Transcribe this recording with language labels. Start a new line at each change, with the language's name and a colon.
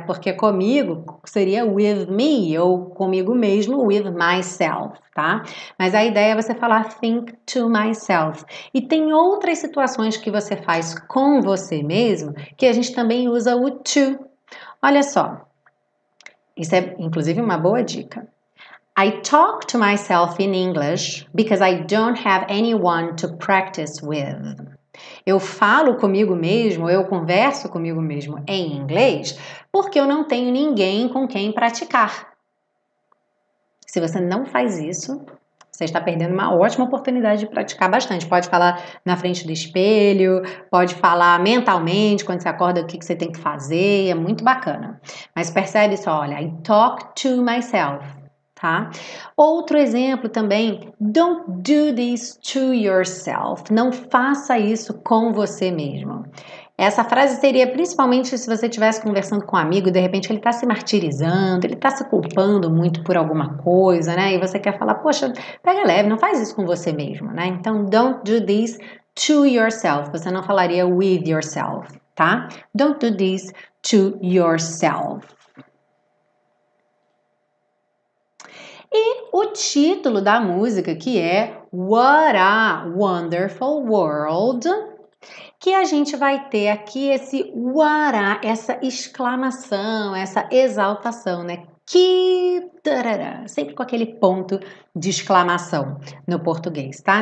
Portuguese: Porque comigo seria with me, ou comigo mesmo, with myself, tá? Mas a ideia é você falar think to myself. E tem outras situações que você faz com você mesmo que a gente também usa o to. Olha só, isso é inclusive uma boa dica.
English: I talk to myself in English because I don't have anyone to practice with.
Portuguese: Eu falo comigo mesmo, eu converso comigo mesmo em inglês porque eu não tenho ninguém com quem praticar. Se você não faz isso, você está perdendo uma ótima oportunidade de praticar bastante. Pode falar na frente do espelho, pode falar mentalmente quando você acorda o que você tem que fazer, é muito bacana. Mas percebe só, olha,
English: I talk to myself.
Portuguese: Tá? Outro exemplo também,
English: don't do this to yourself,
Portuguese: não faça isso com você mesmo. Essa frase seria principalmente se você estivesse conversando com um amigo e de repente ele está se martirizando, ele está se culpando muito por alguma coisa, né? E você quer falar, poxa, pega leve, não faz isso com você mesmo, né? Então,
English: don't do this to yourself,
Portuguese: você não falaria with yourself, tá?
English: Don't do this to yourself.
Portuguese: E o título da música, que é What a Wonderful World, que a gente vai ter aqui esse What a, essa exclamação, essa exaltação, né? Que tarará, sempre com aquele ponto de exclamação no português, tá?